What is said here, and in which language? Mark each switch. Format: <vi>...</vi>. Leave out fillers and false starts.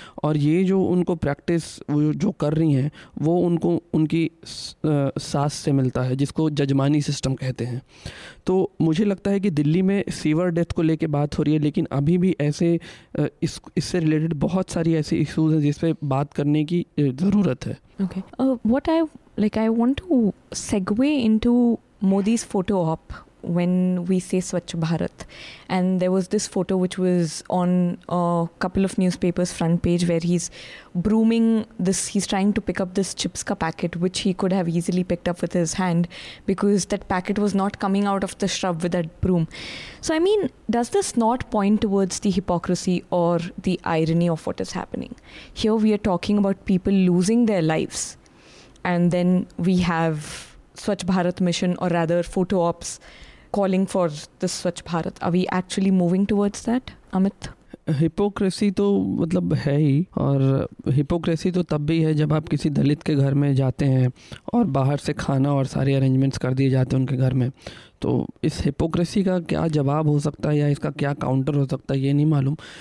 <hi>और ये जो उनको प्रैक्टिस जो कर रही हैं वो उनको उनकी सास से मिलता है जिसको जजमान सिस्टम कहते हैं. तो मुझे लगता है कि दिल्ली में सीवर डेथ को लेके बात हो रही है, लेकिन अभी भी ऐसे इससे रिलेटेड बहुत सारी ऐसी इश्यूज हैं जिस पे बात करने की ज़रूरत है.</hi> <en>Okay. What I like, I want to segue into Modi's photo op when we say Swachh Bharat. And there was this photo which was on a couple of newspapers' front page where he's brooming this, he's trying to pick up this chips ka packet, which he could have easily picked up with his hand because that packet was not coming out of the shrub with that broom. So, I mean, does this not point towards the hypocrisy or the irony of what is happening? Here we are talking about people losing their lives, and then we have Swachh Bharat mission, or rather photo ops, calling for the Swachh Bharat. Are we actually moving towards that, Amit?</en> <hi>Hypocrisy तो मतलब है ही, और hypocrisy तो तब भी है जब आप किसी दलित के घर में जाते हैं और बाहर से खाना और सारे arrangements कर दिए जाते हैं उनके घर में. तो इस hypocrisy का क्या जवाब हो सकता है या इसका क्या counter हो सकता है ये नहीं मालूम.</hi>